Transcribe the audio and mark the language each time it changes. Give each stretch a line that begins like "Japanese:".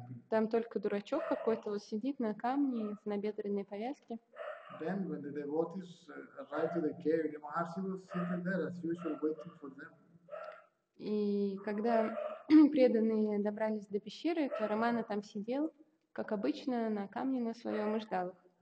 Russian: Там только дурачок какой-то вот сидит на камне в набедренной повязке.
English: Then when the devotees arrived to the cave, the Maharshi was sitting there as usual waiting for them.
Russian: И когда преданные добрались до пещеры, то Рамана там сидел, как обычно, на камне на своем и ждал их.